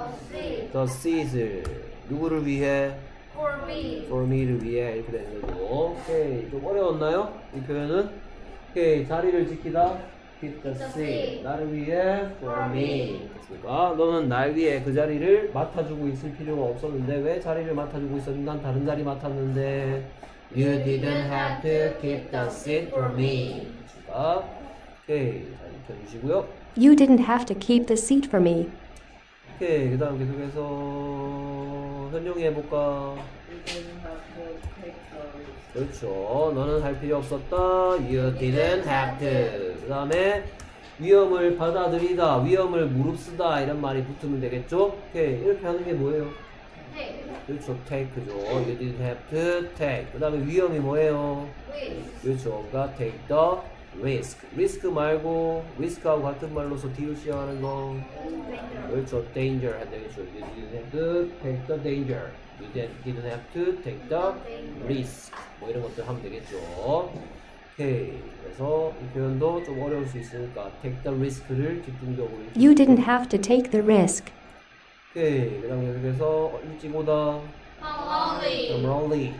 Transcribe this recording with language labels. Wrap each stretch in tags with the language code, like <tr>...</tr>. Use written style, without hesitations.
<ko>The seas를. 누구를 위해?</ko> <en>For me</en> <ko>를 위해. 이렇게 되는 거죠. 오케이. 좀 어려웠나요? 이 표현은? 오케이. 자리를 지키다.</ko> <en>Keep the seat.</en> <ko>나를 위해,</ko> <en>for me.</en> <ko>그렇습니까? 너는 날 위해 그 자리를 맡아주고 있을 필요가 없었는데 왜 자리를 맡아주고 있었니? 난 다른 자리 맡았는데.</ko> <en>You didn't have to keep the seat for me.</en> <ko>그렇습니까? 오케이. 잘 익혀주시고요.</ko> <en>You didn't have to keep the seat for me.</en> <ko>오케이. 그 다음 계속해서 현종이 해볼까?</ko> <en>You didn't have to take the</en> <ko>그렇죠. 너는 할 필요 없었다.</ko> <en>You didn't have to.</en> <ko>그 다음에 위험을 받아들이다, 위험을 무릅쓰다 이런 말이 붙으면 되겠죠? 오케이. 이렇게 하는 게 뭐예요?</ko> <en>Take.</en> <ko>그렇죠. Take죠.</ko> <en>You didn't have to take.</en> <ko>그 다음에 위험이 뭐예요?</ko> <en>Risk.</en> <ko>그렇죠. 그러니까</ko> <en>take the risk.</en> <ko>Risk 말고 risk하고 같은 말로서 DUC 하는 거.</ko> <en>Danger.</en> <ko>그렇죠. Danger 한다.</ko> <en>그렇죠. You didn't have to take the danger. You didn't have to take the risk.</en> <ko>뭐 이런 것들 하면 되겠죠. 오케이. 그래서 이 표현도 좀 어려울 수 있으니까</ko> <en>take the risk</en> <ko>를 집중적으로.</ko> <en>You didn't have to take the risk.</en> <ko>오케이. 그 다음 계속해서 일찍 오다.</ko> <en>Come early.</en>